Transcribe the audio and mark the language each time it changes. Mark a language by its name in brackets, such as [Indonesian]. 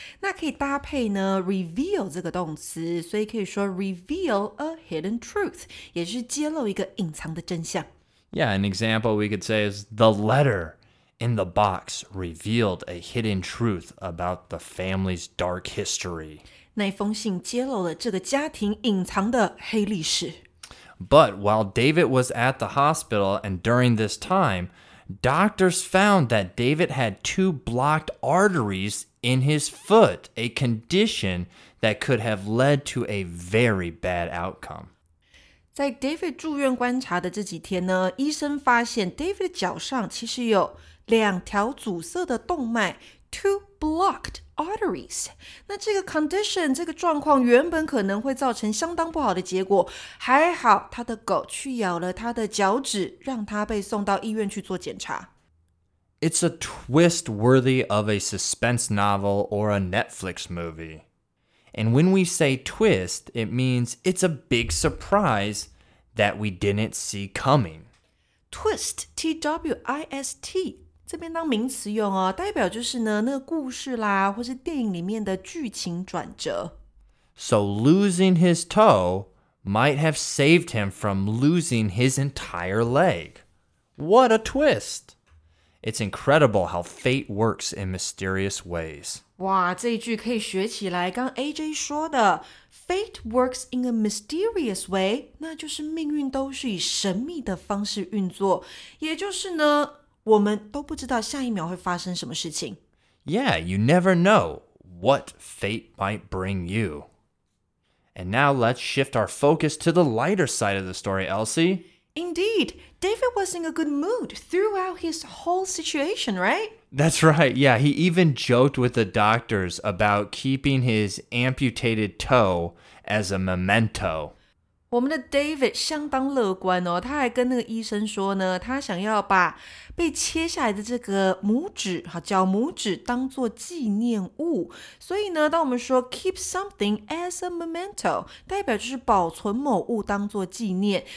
[Chinese] 那可以搭配呢 reveal 这个动词，所以可以说 reveal a hidden truth, 也是揭露一个隐藏的真相。 [English] Yeah, an example we could say is the letter in the box revealed a hidden truth about the family's dark history. [Chinese] 那封信揭露了这个家庭隐藏的黑历史。 [English] But while David was at the hospital and during this time,Doctors found that David had two blocked arteries in his foot, a condition that could have led to a very bad outcome. [Chinese] 在 David 住院观察的这几天呢，医生发现 David 脚上其实有两条阻塞的动脉 [English] two blocked arteries. [Chinese] 那这个 condition, 这个状况原本可能会造成相当不好的结果。还好他的狗去咬了他的脚趾，让他被送到医院去做检查。 [English] It's a twist worthy of a suspense novel or a Netflix movie. And when we say twist, it means it's a big surprise that we didn't see coming. Twist, T-W-I-S-T. [Chinese] 这边当名词用哦，代表就是呢，那个故事啦，或是电影里面的剧情转折。 [English] So losing his toe might have saved him from losing his entire leg. What a twist! It's incredible how fate works in mysterious ways. [Chinese] 哇，这一句可以学起来，刚 AJ 说的 ， [English] fate works in a mysterious way， [Chinese] 那就是命运都是以神秘的方式运作，也就是呢。我们都不知道下一秒会发生什么事情。 [English] Yeah, you never know what fate might bring you. And now let's shift our focus to the lighter side of the story, Elsie. Indeed, David was in a good mood throughout his whole situation, right? That's right, yeah. He even joked with the doctors about keeping his amputated toe as a memento. [Chinese] 我们的 David 相当乐观哦，他还跟那个医生说呢，他想要把被切下来的这个拇指，好，脚拇指当做纪念物。所以呢，当我们说 [English] keep something as a memento， [Chinese] 代表就是保存某物当做纪念。